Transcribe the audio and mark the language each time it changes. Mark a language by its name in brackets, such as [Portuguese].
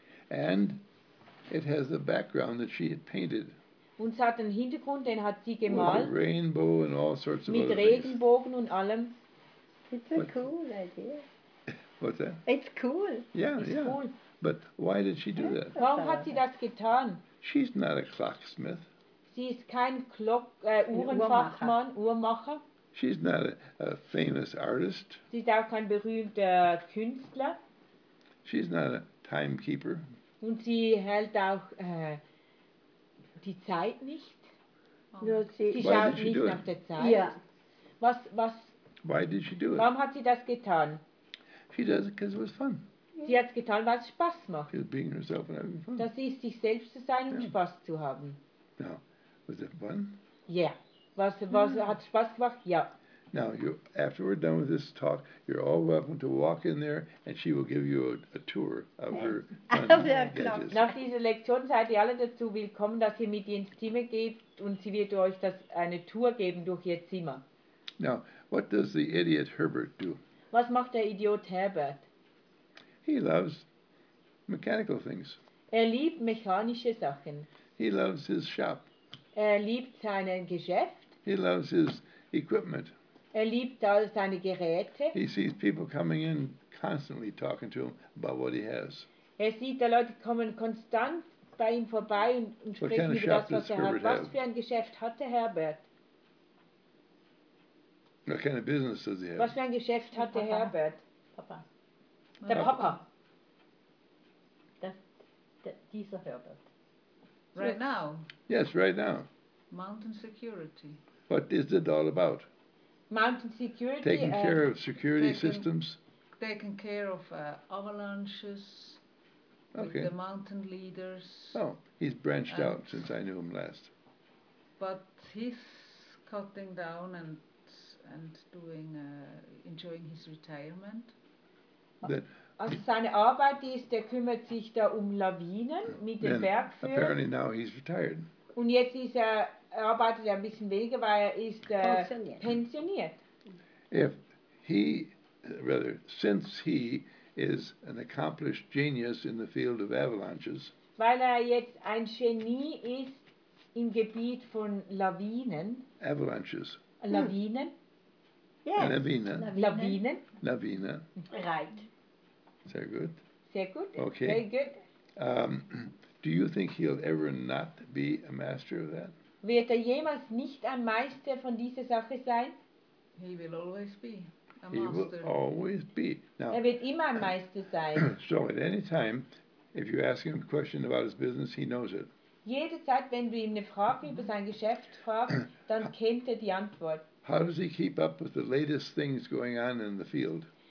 [English] And it has a background that she had painted. [German] Und es hat einen Hintergrund, den hat sie gemalt. [English] With a rainbow and all sorts of [German] mit Regenbogen things. Und allem. [English] It's a cool idea. What's that? It's cool. Yeah, it's yeah. Cool. But why did she do that? [German] Warum hat sie das getan? [English] She's not a clocksmith. [German] Sie ist kein Uhrenfachmann, Uhrmacher. [English] She's not a famous artist. [German] Sie ist auch kein berühmter Künstler. [English] She's not a timekeeper. [German] Und sie hält auch die Zeit nicht. Nur sie schaut nicht nach der Zeit. [English] Yeah. [German] Was [English] why did she do it? [German] Warum hat sie das getan? [English] She does it because it was fun. [German] Sie hat es getan, weil es Spaß macht. [English] She's being herself and having fun. [German] Dass sie ist, sich selbst zu sein und Spaß zu haben. [English] Now, was it fun? [German] Yeah. Was hat Spaß gemacht? Ja. [English] Now, you, after we're done with this talk, you're all welcome to walk in there and she will give you a tour of her gadgets. [German] Nach dieser Lektion seid ihr alle dazu willkommen, dass ihr mit ihr ins Zimmer geht und sie wird euch das eine Tour geben durch ihr Zimmer. [English] Now, what does the idiot Herbert do? [German] Was macht der Idiot Herbert? [English] He loves mechanical things. [German] Er liebt mechanische Sachen. [English] He loves his shop. [German] Er liebt sein Geschäft. [English] He loves his equipment. [German] Er liebt all seine Geräte. [English] He sees people coming in constantly talking to him about what he has. [German] Er sieht, die Leute kommen konstant bei ihm vorbei und sprechen über das, was er hat. Was für ein Geschäft hat der Herbert? [English] What kind of business does he have? [German] Was für ein Geschäft hat der Herbert? Papa. Der Papa. Dieser Herbert. [English] Right now? Yes, right now. Mountain security. What is it all about? Mountain security. Taking care of security systems. Taking care of avalanches. Okay. The mountain leaders. Oh, he's branched out since I knew him last. But he's cutting down and doing enjoying his retirement. [German] Also seine Arbeit ist, der kümmert sich da um Lawinen mit dem Bergführer. [English] Apparently now he's retired. [German] Und jetzt ist er, arbeitet er ein bisschen weniger, weil er ist pensioniert. [English] If he, rather, since he is an accomplished genius in the field of avalanches. [German] Weil er jetzt ein Genie ist im Gebiet von Lawinen. [English] Avalanches. [German] Lawinen. [English] Yes. [German] Lawinen. Lawinen. Lawinen. [English] Right. [German] Sehr gut. Sehr gut. [English] Okay. Very good. Do you think he'll ever not be a master of that? [German] Wird er jemals nicht ein Meister von dieser Sache sein? [English] He will always be a master. He will always be. [German] Now, er wird immer ein Meister sein. [English] So at any time, if you ask him a question about his business, he knows it. [German] Jede Zeit, wenn du ihm eine Frage über sein Geschäft fragst, dann kennt er die Antwort. [English] How does he keep up with the latest things going on in the field?